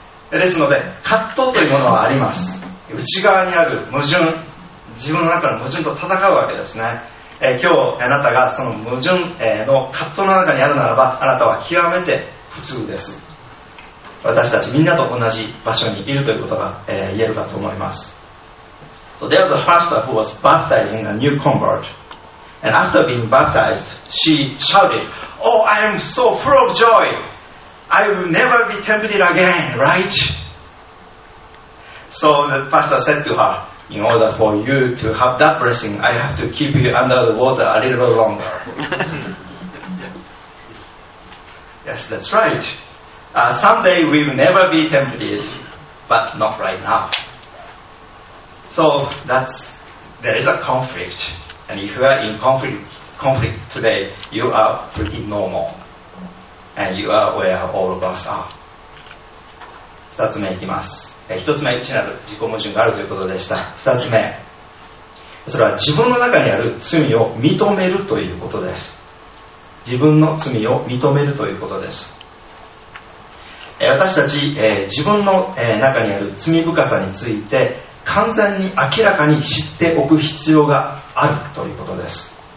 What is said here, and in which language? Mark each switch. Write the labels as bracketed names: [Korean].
[Japanese] ですので葛藤というものはあります。内側にある矛盾、自分の中の矛盾と戦うわけですね。今日あなたがその矛盾の葛藤の中にあるならば、あなたは極めて普通です。私たちみんなと同じ場所にいるということが、言えるかと思います。 [English] So there was a pastor who was baptizing a new convert. And after being baptized, she shouted, "Oh, I am so full of joy! I will never be tempted again, right?" So the pastor said to her, "In order for you to have that blessing, I have to keep you under the water a little longer." Yes, that's right. Someday we will never be tempted, but not right now. So that's, there is a conflict. And if you are in conflict today, you are pretty normal. And you are where all of us are. [Japanese] 二つ目いきます。一つ目、一なる自己矛盾があるということでした。二つ目、それは自分の中にある罪を認めるということです。自分の罪を認めるということです。私たち、自分の中にある罪深さについて、完全に明らかに知っておく必要があるということです。